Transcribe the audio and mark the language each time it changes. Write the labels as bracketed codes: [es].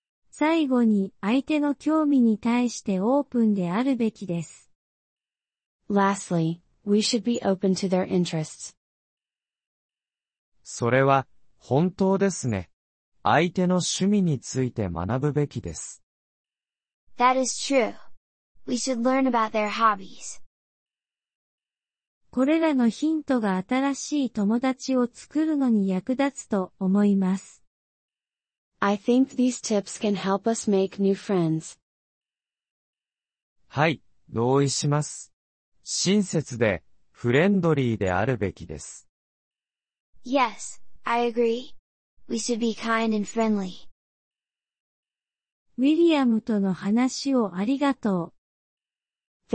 [ja] 最後に、相手の興味に対してオープンであるべきです。 [en] Lastly, we should be open to their interests. [ja] それは、本当ですね。相手の趣味について学ぶべきです。 [en] That is true.We should learn about their hobbies. [ja] これらのヒントが新しい友達を作るのに役立つと思います。 [en] I think these tips can help us make new friends. [ja] はい、同意します。親切で、フレンドリーであるべきです。 [en] Yes, I agree. We should be kind and friendly. [ja] ウィリアムとの話をありがとう。